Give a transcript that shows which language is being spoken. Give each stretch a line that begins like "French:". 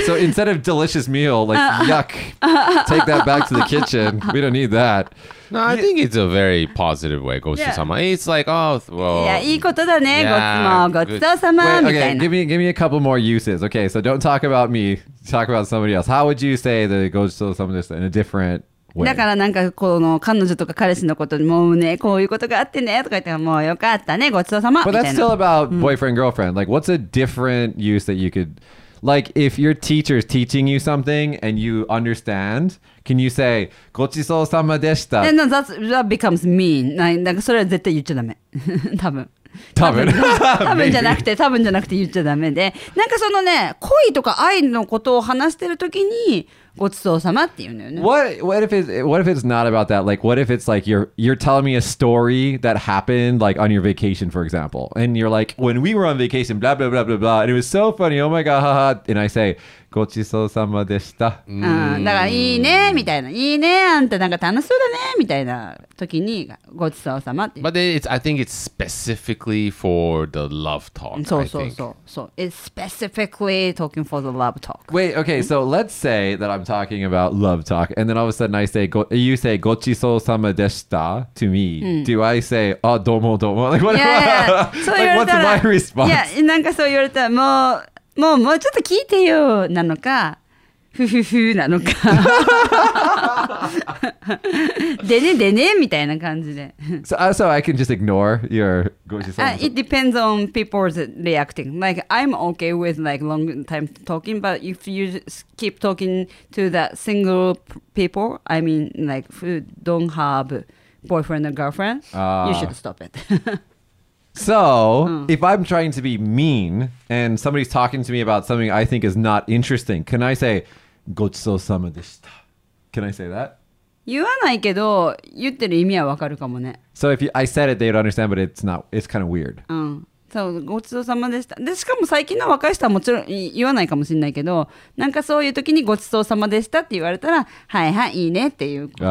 English: So instead of delicious meal, like yuck, take that back to the kitchen. We don't need that. No, I think it's a very positive way. Gotsousama. Yeah. It's like, oh, well.
Japanese: Yeah, いいことだね.Gotsousama.
English: Okay, give me a couple more uses. Okay, so don't talk about me. Talk about somebody else. How would you say the gotsousama just in a different way?
Japanese: だからなんかこの彼女とか彼氏のことにもうね、こういうことがあってねとか言ってもうよかったね、ごちそうさま。
English: But that's still about boyfriend, girlfriend. Like, what's a different use that you could... Like, if your teacher is teaching you something and you understand, can you say,
Japanese: gochisousama deshita?
English: And no, that becomes mean. Like,
Japanese: それは絶対言っちゃダメ。多分。多分じゃなくて言っちゃダメで。なんかそのね、恋とか愛のことを話してるときに、ごちそうさまって言うのよね。
English: What if it's not about that? Like, what if it's like you're telling me a story that happened, like, on your vacation, for example. And you're like, when we were on vacation, blah, blah, blah, blah, blah. And it was so funny. Oh, my God. Ha, ha. And I say,
Japanese: ごちそうさまでした。だからいいね、みたいな。いいね、あんたなんか楽しそうだね、みたいな時にごちそうさまって。
English: But I think it's specifically for the love talk,
Japanese: そうそうそう。
English: So it's specifically talking for the love talk. Wait, okay, so let's say that I'm talking about love talk, and then all of a sudden I say, you say
Japanese: ごちそうさまでしたと
English: me. Do I say,
Japanese: あ、どうもどうも?
English: Like, what's my response?
Japanese: Yeah, なんかそう言われたら、もうちょっと聞いてよなのかふふふなのかでねでねみたいな感じで
English: So I can just ignore your It depends on people's reacting. Like, I'm okay with like long time talking, but if you keep talking to that single people, I mean like who don't have boyfriend or girlfriend, you should stop it. So, if I'm trying to be mean and somebody's talking to me about something I think is not interesting, can I say,
Japanese: gotsousama deshita?
English: Can I say that?
Japanese: 言わないけど、言ってる意味はわかるかもね。
English: So, if I said it, they would understand, but it's not, it's kind of weird.
Japanese: So, gotsousama deshita. で、しかも最近の若い人はもちろん言わないかもしれないけど、なんかそういう時にごちそうさまでしたって言われたら、はいはい、いいねっていう。